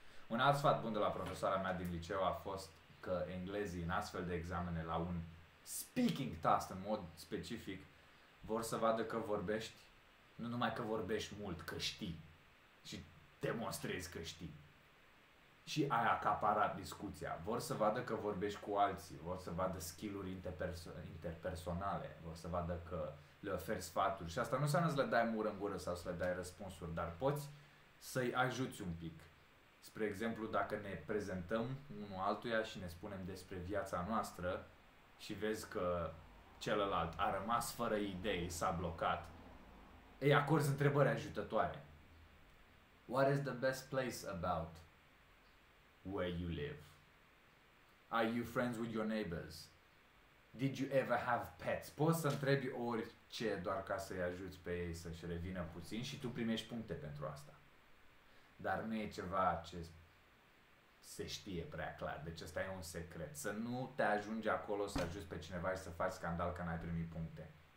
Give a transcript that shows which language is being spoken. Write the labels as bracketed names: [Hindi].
[Romanian] Un alt sfat bun de la profesoara mea din liceu a fost că englezii în astfel de examene la un speaking task în mod specific vor să vadă că vorbești, nu numai că vorbești mult, că știi și demonstrezi că știi și ai acaparat discuția, vor să vadă că vorbești cu alții, vor să vadă skill-uri interpersonale, vor să vadă că le oferi sfaturi și asta nu înseamnă să le dai mură în gură sau să le dai răspunsuri, dar poți să-i ajuți un pic. Spre exemplu, dacă ne prezentăm unul altuia și ne spunem despre viața noastră și vezi că celălalt a rămas fără idei, s-a blocat, îi acorzi întrebări ajutătoare. [English] What is the best place about where you live? Are you friends with your neighbors? Did you ever have pets? [Romanian] Poți să întrebi orice doar ca să-i ajuți pe ei să-și revină puțin și tu primești puncte pentru asta. Dar nu e ceva ce se știe prea clar. Deci ăsta e un secret. Să nu te ajungi acolo, să ajungi pe cineva și să faci scandal că n-ai primit puncte.